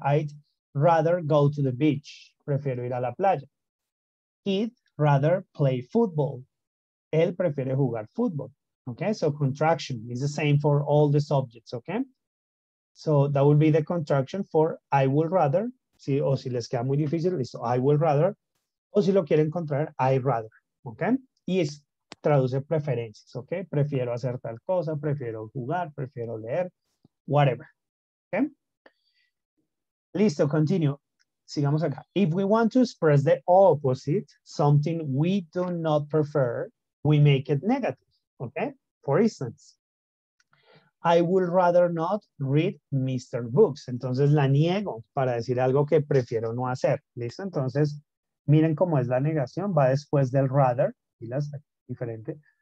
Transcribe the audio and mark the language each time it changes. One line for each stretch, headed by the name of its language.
English: I'd rather go to the beach.
Spanish: Prefiero ir a la playa.
English: He'd rather play football.
Spanish: Él prefiere jugar fútbol.
English: Okay, so contraction is the same for all the subjects, okay? So that would be the contraction for I would rather, ¿sí?
Spanish: O si les queda muy difícil, listo,
English: I would rather.
Spanish: O si lo quiere encontrar,
English: I'd rather,
Spanish: ¿ok? Y es, traduce preferencias, ¿ok? Prefiero hacer tal cosa, prefiero jugar, prefiero leer, whatever, ¿ok?
English: Listo, continue.
Spanish: Sigamos acá.
English: If we want to express the opposite, something we do not prefer, we make it negative, ¿ok? For instance, I would rather not read Mr. Books.
Spanish: Entonces, la niego para decir algo que prefiero no hacer, ¿listo? Entonces, miren cómo es la negación, va después del rather, y las diferente.